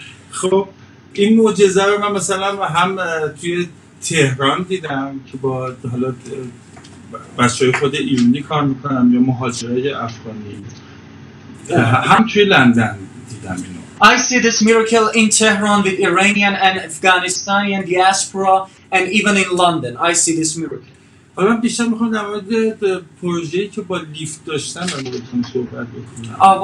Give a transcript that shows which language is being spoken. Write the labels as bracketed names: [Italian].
[Persian] خب این معجزه رو من مثلا هم توی تهران دیدم که با حالا بچه‌های خود ایرانی کار میکنم یا مهاجرای افغانی، هم توی لندن دیدم اینو. [English] I see this miracle in Tehran with Iranian and Afghanistani and diaspora and even in London. I see this miracle. [Persian] حالا بیشتر میخوام در مورد پروژه‌ای که با لیفت داشتم من بهتون صحبت بکنم.